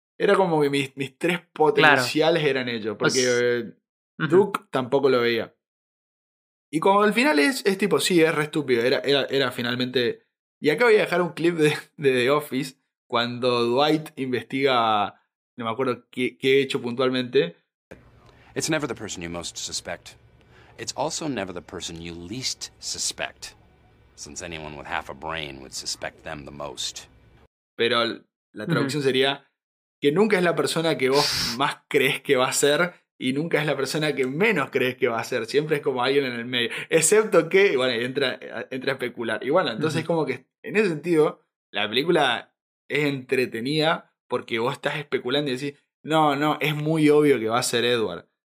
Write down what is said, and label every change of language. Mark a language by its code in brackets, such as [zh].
[es] Era como que mis tres potenciales, claro, eran ellos. Porque Duke, uh-huh, tampoco lo veía. Y como al final es tipo, sí, es re estúpido. Era finalmente... Y acá voy a dejar un clip de The Office. Cuando Dwight investiga... No me acuerdo qué he hecho puntualmente. [en] It's never the person you most suspect. It's also never the person you least suspect. Since anyone with half a brain would suspect them the most. [es] Pero la traducción, uh-huh, sería... Que nunca es la persona que vos más crees que va a ser y nunca es la persona que menos crees que va a ser. Siempre es como alguien en el medio. Excepto que, bueno, entra a especular. Y bueno, entonces, uh-huh, como que en ese sentido, la película es entretenida porque vos estás especulando y decís, no, es muy obvio que va a ser Edward.